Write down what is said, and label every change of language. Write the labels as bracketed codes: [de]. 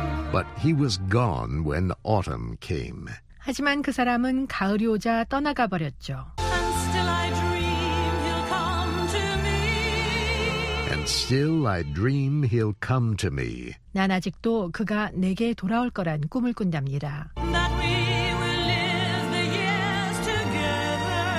[en] But he was gone when autumn came. [ko] 하지만 그 사람은 가을이 오자 떠나가 버렸죠. [en] And still I dream he'll come to me. And still I dream he'll come to me. [ko] 난 아직도 그가 내게 돌아올 거란 꿈을 꾼답니다. [en] That we will live the years together.